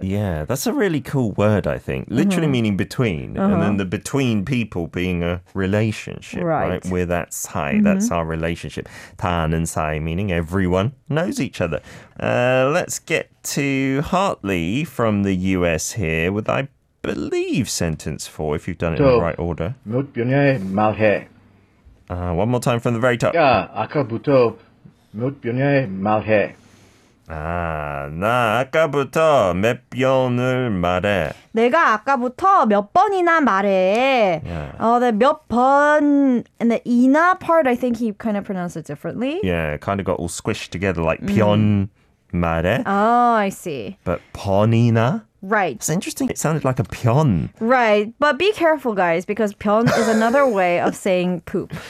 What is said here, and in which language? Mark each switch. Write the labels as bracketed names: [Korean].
[English] Yeah, that's a really cool word, I think. Literally mm-hmm. meaning between, uh-huh, and then the between people being a relationship, right? We're that 사이, mm-hmm, that's our relationship. [Korean] 다 아는 사이 [English] meaning everyone knows each other. Let's get to Hartley from the US here with, I believe, sentence 4, if you've done it in the right order. [Korean] 몇 번에 말해. [English] One more time from the very top. [Korean] 야, 아까부터 몇 번에 말해. 나 아까부터 몇 번을 말해. 내가 아까부터 몇 번이나 말해. [English] Yeah. The 몇 번 and the 이나 part, I think he kind of pronounced it differently. Yeah, kind of got all squished together like 번 말해. Oh, I see. But 번이나? Right. It's interesting. It sounded like a 변. Right. But be careful, guys, because 변 is another way of saying poop.